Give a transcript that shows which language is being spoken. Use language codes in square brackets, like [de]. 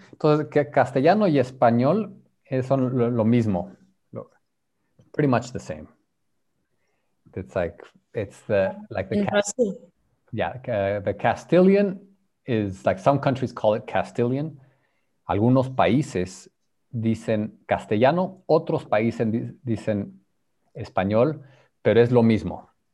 [es] Entonces, que castellano y español son lo mismo. [en] Pretty much the same. The Castilian is like some countries call it Castilian. [es] Algunos países dicen castellano, otros países dicen español, pero es lo mismo.